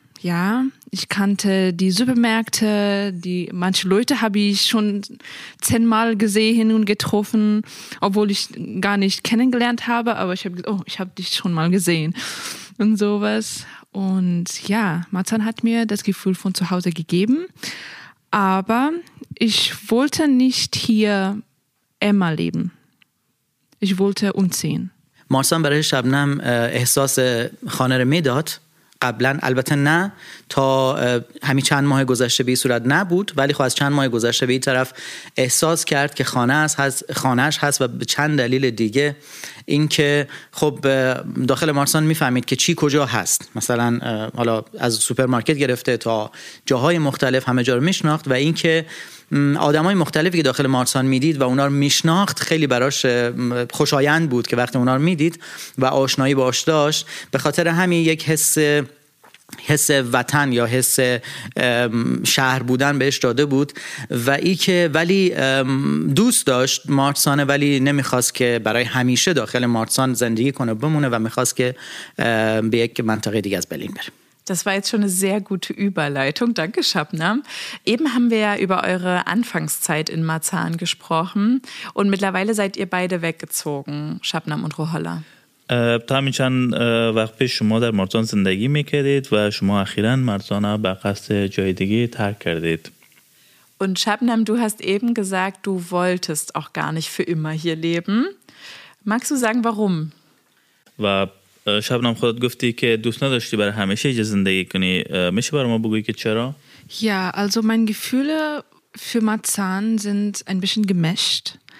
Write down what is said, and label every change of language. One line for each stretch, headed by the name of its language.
German: Ja, ich kannte die Supermärkte, manche Leute habe ich schon 10 Mal gesehen und getroffen, obwohl ich gar nicht kennengelernt habe, aber ich habe gesagt, oh, ich habe dich schon mal gesehen und sowas. Und ja, Marzahn hat mir das Gefühl von zu Hause gegeben, aber ich wollte nicht hier immer leben. Ich wollte umziehen.
Persian: Marzahn برای شبنم احساس خانه رو میداد قبلا، البته نه تا همین چند ماه گذشته به این صورت نبود، ولی خب از چند ماه گذشته به این طرف احساس کرد که خانهش هست و به چند دلیل دیگه، این که خب داخل مارسان میفهمید که چی کجا هست، مثلا حالا از سوپرمارکت گرفته تا جاهای مختلف همه جا رو میشناخت، و این که آدمای مختلفی که داخل مارسان میدید و اونا رو میشناخت خیلی براش خوشایند بود که وقتی اونا رو میدید و آشنایی باش داشت، به خاطر همین یک حس وطن یا حس شهر بودن بهش داده بود، و ای که ولی دوست داشت مارسانه، ولی نمیخواست که برای همیشه داخل مارسان زندگی کنه بمونه و میخواست که به یک منطقه دیگه از برلین بره.
German: Das war jetzt schon eine sehr gute Überleitung. Danke, Shabnam. Eben haben wir ja über eure Anfangszeit in Marzahn gesprochen. Und mittlerweile seid ihr beide weggezogen, Shabnam und Rohalla.
Persian: تا همین چند وقت پیش شما در مارزان زندگی میکردید و شما اخیراً مارزان را به قصد جای دیگه ترک کردید.
German: Und Shabnam, du hast eben gesagt, du wolltest auch gar nicht für immer hier leben. Magst du sagen, warum?
Persian: و Shabnam, خودت گفتی که دوست نداشتی برای همیشه اینجا زندگی کنی. میشه برای ما بگویی که چرا؟
German: Ja, also mein Gefühle für Marzahn sind ein bisschen gemischt.